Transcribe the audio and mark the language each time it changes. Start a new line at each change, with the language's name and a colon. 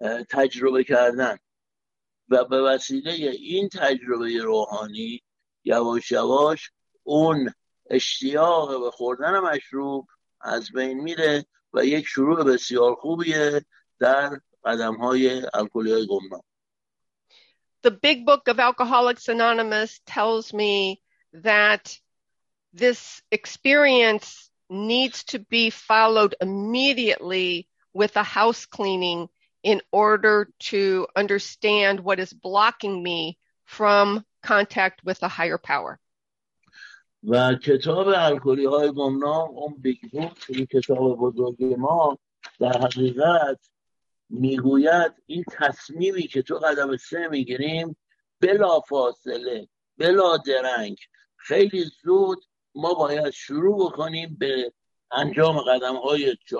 Persian: تجربه کردن، و به وسیله این تجربه روحانی یواش یواش اون اشتیاق به خوردن مشروب از بین میره و یک شروع بسیار خوبیه در قدم‌های الکلی های گمنام.
English: The big book of Alcoholics Anonymous tells me that this experience needs to be followed immediately with a house cleaning in order to understand what is blocking me from contact with a higher power.
Persian: و کتاب الکلی های گمنام، اون
English: big book,
Persian: این کتاب بزرگ ما، در حقیقت میگوید این تصمیمی که تو قدم سه میگیریم بلا فاصله، بلا درنگ، خیلی زود ما باید شروع بکنیم به انجام قدم های